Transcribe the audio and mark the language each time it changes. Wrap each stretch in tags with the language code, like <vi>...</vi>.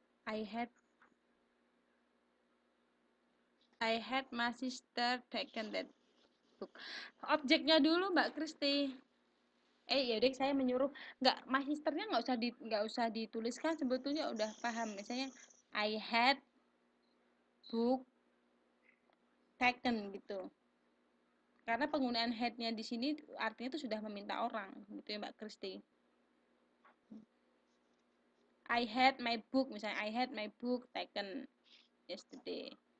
<en>I had my sister taken that book.</en> <id>Objeknya dulu, Mbak Kristi. Ya deh, saya menyuruh. Enggak, my sisternya enggak usah dituliskan. Sebetulnya udah paham. Misalnya,</id> <en>I had book taken</en> <id>gitu. Karena penggunaan had-nya di sini artinya itu sudah meminta orang, gitu ya Mbak Kristi.</id> <en>I had my book, misalnya I had my book taken yesterday.</en>